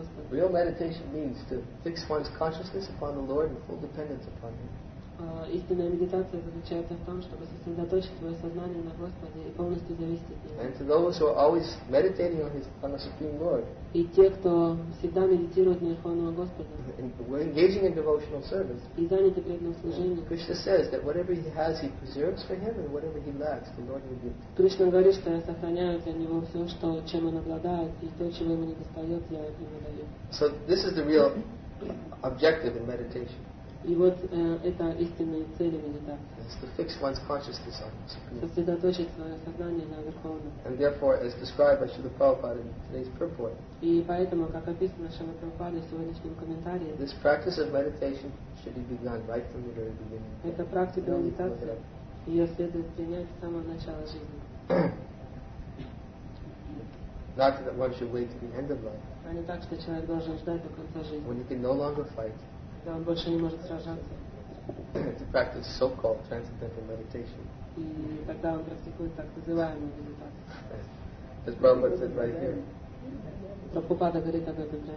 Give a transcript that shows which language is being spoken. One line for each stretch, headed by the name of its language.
English: Real meditation means to fix one's consciousness upon the Lord and full dependence upon Him.
Russian: Истинная медитация заключается в том, чтобы сосредоточить свое сознание на Господе и полностью зависеть от Него.
English: And to those who are always meditating on the Supreme Lord.
Russian: И те, кто всегда медитирует на Верховного Господа.
English: We're engaging in devotional service.
Russian: И заняты преданным служением.
English: Krishna says that whatever he has, he preserves for him, and whatever he lacks, the Lord will give.
Russian: Кришна говорит, что я сохраняю для него все, что чем он обладает, и то, чего ему не достает, я ему даю.
English: So this is the real objective in meditation.
Russian: И вот это истинные цели медитации.
English: It's to fix one's consciousness on the Supreme.
Russian: Сосредоточить свое сознание на Верховном.
English: And therefore, as described by Śrīla Prabhupāda in today's purport.
Russian: И поэтому, как описано Śrīla Prabhupāda в сегодняшнем комментарии.
English: This practice of meditation should be begun right from the very beginning.
Russian: Эта практика медитации, ее следует принять с самого начала жизни.
English: Not that one should wait to the end of life.
Russian: А не так, что человек должен ждать до конца жизни.
English: When you can no longer fight.
Russian: Да, он больше не может сражаться.
English: To practice so-called transcendental meditation.
Russian: И тогда он практикует так называемую медитацию.
English: As Prabhupada said right here.
Russian: Прабхупада говорит об этом.